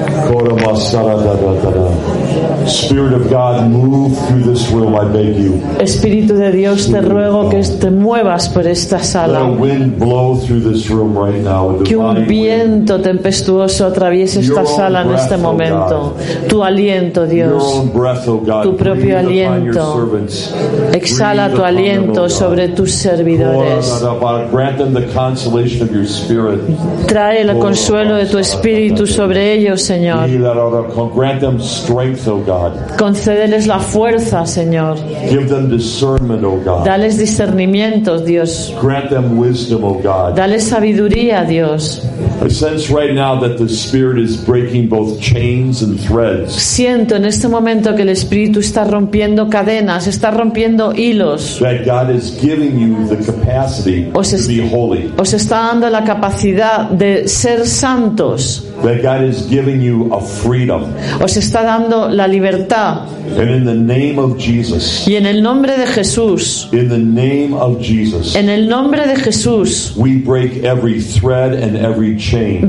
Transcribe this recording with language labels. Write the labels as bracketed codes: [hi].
[en] Spirit of God, move through this room, I beg you. [es] Espíritu de Dios, te ruego que te muevas por esta sala. [en] Let a wind blow through this room right now. [es] Que un viento tempestuoso atraviese esta sala en este momento. Tu aliento, Dios. Tu propio aliento. Exhala tu aliento sobre tus servidores. [en] Grant them the consolation of your spirit. [es] Trae el consuelo de tu espíritu sobre ellos, Señor. [en] Grant them strength, oh God. [es] Concédeles la fuerza, Señor. [en] Give them discernment, oh God. [es] Dales discernimiento, Dios. [en] Grant them wisdom, oh God. [es] Dales sabiduría, Dios. [en] I sense right now that the Spirit is breaking both chains and threads. [es] Siento en este momento que el Espíritu está rompiendo cadenas, está rompiendo hilos. [en] That God is giving you the capacity to be holy. [es] Os está dando la capacidad de ser santos. [en] That God is giving you a freedom. [es] Os está dando la libertad. [en] And in the name of Jesus. [es] Y en el nombre de Jesús. [en] In the name of Jesus. [es] En el nombre de Jesús. [en] We break every thread and every chain.